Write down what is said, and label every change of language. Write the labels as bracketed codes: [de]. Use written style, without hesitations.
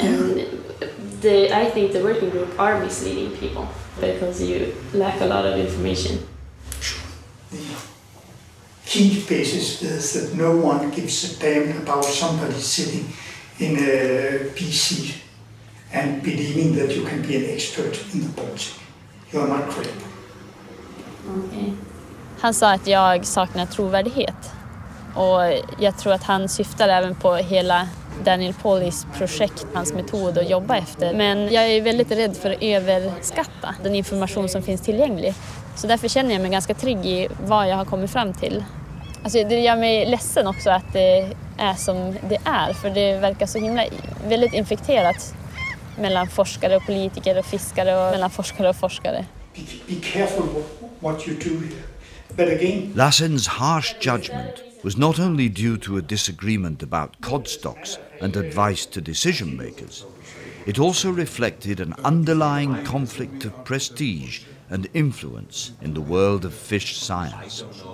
[en] And I think the working group are misleading people because you lack a lot of information. Key basis is that no one gives a damn about somebody sitting in a PC and believing that you can be an expert in the Baltic. You are not credible. Okay. [sv] Han sa att jag saknar trovärdighet. Och jag tror att han syftar även på hela Daniel Paulies projekt, hans metod att jobba efter. Men jag är väldigt rädd för att överskatta den information som finns tillgänglig. Så därför känner jag mig ganska trygg i vad jag har kommit fram till. Alltså det gör mig ledsen också att det är som det är. För det verkar så himla väldigt infekterat mellan forskare och politiker och fiskare och mellan forskare och forskare. [en] Be careful what you do here. But again... Lassen's harsh judgment was not only due to a disagreement about cod stocks and advice to decision makers. It also reflected an underlying conflict of prestige and influence in the world of fish science.